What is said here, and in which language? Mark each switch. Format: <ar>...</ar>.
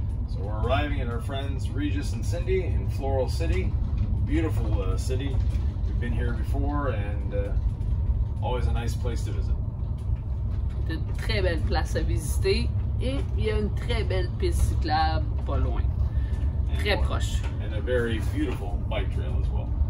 <en>So we're arriving at our friends Regis and Cindy in Floral City. Beautiful city. We've been here before and always a nice place to visit.</en> <fr>C'est une très belle place à visiter et il y a une très belle piste cyclable pas loin. Très proche.</fr> <en>And a very beautiful bike trail as well.</en>